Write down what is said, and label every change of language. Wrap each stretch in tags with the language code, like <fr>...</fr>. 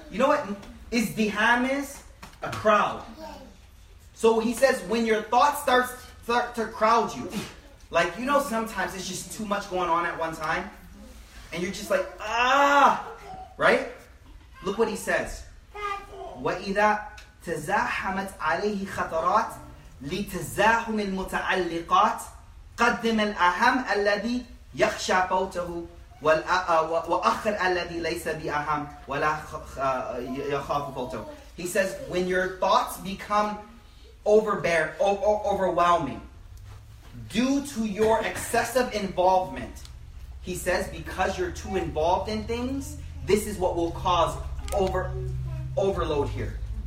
<en>You know what izdiham is? A crowd. So he says, when your thoughts start to crowd you, like, you know, sometimes it's just too much going on at one time, and you're just like, ah, right? Look what he says. وَإِذَا</en> <ar>تزاحمت عليه خطرات لتزاحم المتعلقات قدم الأهم الذي يخشى فوته وأخر الذي ليس بأهم ولا يخاف فوته.</ar> <en>He says, when your thoughts become overwhelming due to your excessive involvement, he says, because you're too involved in things, this is what will cause overload here.</en>